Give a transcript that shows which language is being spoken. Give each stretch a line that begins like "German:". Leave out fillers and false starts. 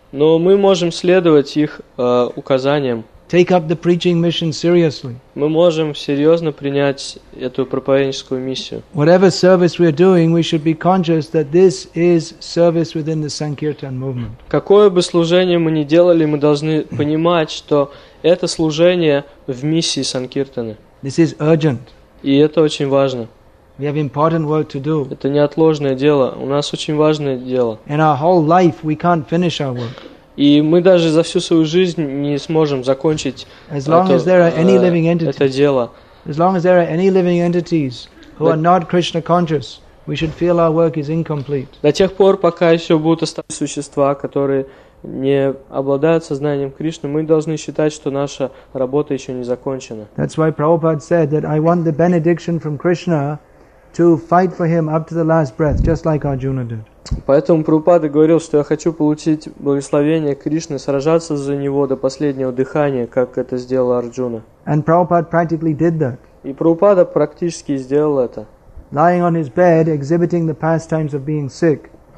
Russian: Но мы можем следовать их указаниям.
English: Take up the preaching mission seriously.
Russian: Мы можем серьезно принять эту проповедническую миссию.
English: Whatever service we are doing, we should be conscious that this is service within the Sankirtan movement.
Russian: Какое бы служение мы ни делали, мы должны понимать, что это служение в миссии Санкиртаны.
English: This is urgent.
Russian: И это очень важно.
English: We have important work to do.
Russian: Это неотложное дело. У нас очень важное дело.
English: In our whole life, we can't finish our work.
Russian: И мы даже за всю свою жизнь не сможем закончить
English: as long
Russian: это,
English: as there are any living entities,
Russian: это дело.
English: As long as there are any living entities who are not Krishna conscious, we should feel our work is incomplete.
Russian: До тех пор, пока еще будут оставаться существа, которые не обладают сознанием Кришны, мы должны считать, что наша работа еще не закончена.
English: That's why Prabhupada said that I want the benediction from Krishna to fight for him up to the last breath, just like Arjuna did.
Russian: Поэтому Прабхупада говорил, что я хочу получить благословение Кришны, сражаться за него до последнего дыхания, как это сделал Арджуна.
English: And Prabhupada practically did that.
Russian: И Прабхупада практически сделал это.
English: Lying on his bed, exhibiting the pastimes of being sick.